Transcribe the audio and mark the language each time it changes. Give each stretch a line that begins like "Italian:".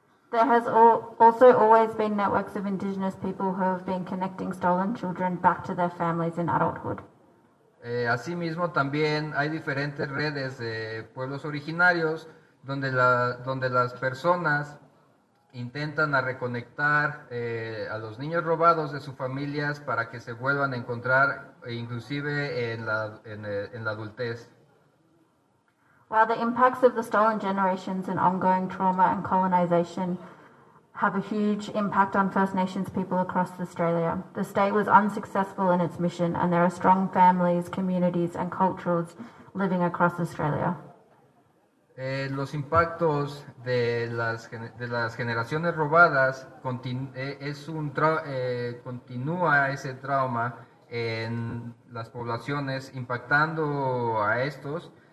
English: There has also always been networks of indigenous people who have been connecting stolen children back to their families in adulthood.
Spanish: Asimismo, también hay diferentes redes de pueblos originarios donde las personas intentan a reconectar a los niños robados de sus familias para que se vuelvan a encontrar, inclusive en la adultez.
English: While the impacts of the stolen generations and ongoing trauma and colonization have a huge impact on First Nations people across Australia, the state was unsuccessful in its mission, and there are strong families, communities and cultures living across Australia.
Spanish: Los impactos de las generaciones robadas continúa ese trauma en las poblaciones, impactando a estos.